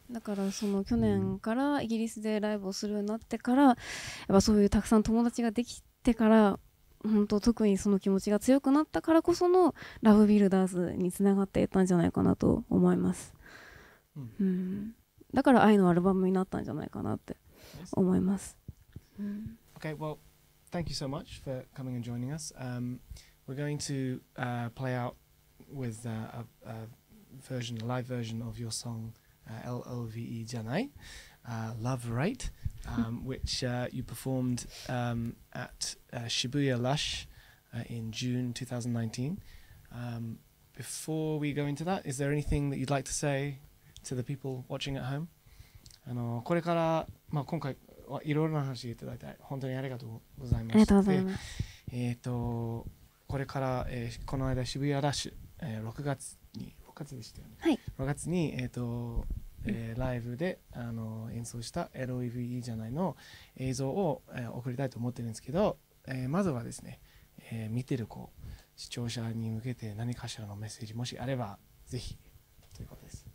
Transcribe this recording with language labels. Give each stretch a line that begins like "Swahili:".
Japanese: うん、だからその去年からイギリスでライブをするようになってから、うん、やっぱそういうたくさん友達ができてから、本当特にその気持ちが強くなったからこそのラブビルダーズにつながっていったんじゃないかなと思います、うんうん、だから愛のアルバムになったんじゃないかなって思います、
English: うん、Okay, well, thank you so much for coming and joining us. We're going to play out with a version, a live version of your song L-O-V-E Janai, Love Right, which you performed at Shibuya Lush in June 2019. Before we go into that, is there anything that you'd like to say to the people watching at home?
Japanese: あのこれから、まあ、今回はいろいろな話をいただいて本当にありがとうございました。ありがとうございます。これから、この間渋谷ラッシュ、6月に6月でしたよね、はい、 6月に、ライブで演奏した LOVE じゃないの映像を、送りたいと思ってるんですけど、まずはですね、見てる子視聴者に向けて何かしらのメッセージもしあればぜひということです。